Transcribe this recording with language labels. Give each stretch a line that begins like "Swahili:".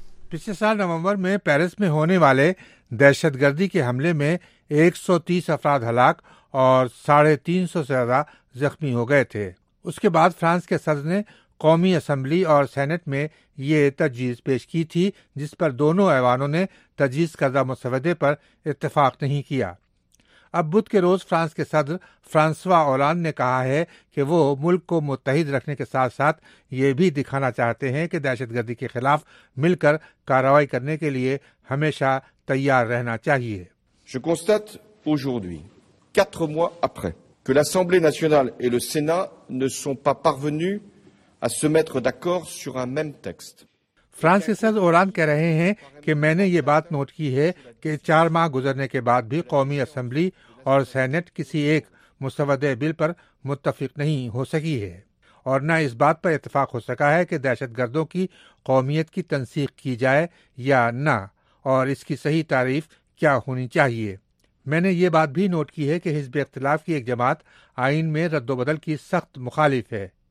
Urdu: پچھلے سال نومبر میں پیرس میں ہونے والے دہشت گردی کے حملے میں 130 افراد ہلاک اور 350 سے زیادہ زخمی ہو گئے تھے۔ اس کے بعد فرانس کے صدر نے قومی اسمبلی اور سینٹ میں یہ تجویز پیش کی تھی جس پر دونوں ایوانوں نے تجویز کردہ مسودے پر اتفاق نہیں کیا۔ اب بدھ کے روز فرانس کے صدر فرانسوا اولاند نے کہا ہے کہ وہ ملک کو متحد رکھنے کے ساتھ ساتھ یہ بھی دکھانا چاہتے ہیں کہ دہشت گردی کے خلاف مل کر کارروائی کرنے کے لیے ہمیشہ تیار رہنا چاہیے۔
French: Je constate aujourd'hui, 4 mois après, que l'Assemblée nationale et le Sénat ne sont pas parvenus à se mettre d'accord sur un même texte.
Urdu: France کے صدر اولاند کہہ رہے ہیں کہ میں نے یہ بات نوٹ کی ہے کہ 4 ماہ گزرنے کے بعد بھی قومی اسمبلی اور سینٹ کسی ایک مسودہ بل پر متفق نہیں ہو سکی ہے، اور نہ اس بات پر اتفاق ہو سکا ہے کہ دہشت گردوں کی قومیت کی تنسیق کی جائے یا نہ، اور اس کی صحیح تعریف کیا ہونی چاہیے۔ میں نے یہ بات بھی نوٹ کی ہے کہ حزب اختلاف کی ایک جماعت آئین میں رد و بدل کی سخت مخالف ہے۔